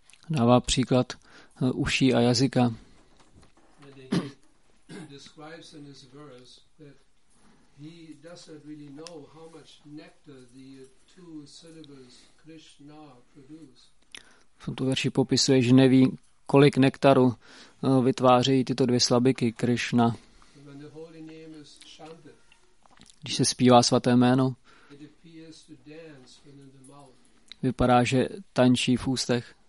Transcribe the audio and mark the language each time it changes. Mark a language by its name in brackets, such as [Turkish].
[Czech] Dává příklad uší a jazyka. [English] Describes in his verse that he doesn't really know how much nectar the two syllables Krishna produce. [Czech] V tomto verši popisuje, že neví, kolik nektaru vytvářejí tyto dvě slabiky Krishna. [English] When the holy name is chanted, [Czech] když se zpívá svaté jméno, [English] it appears to dance within the mouth. [Czech] Vypadá, že tančí v ústech.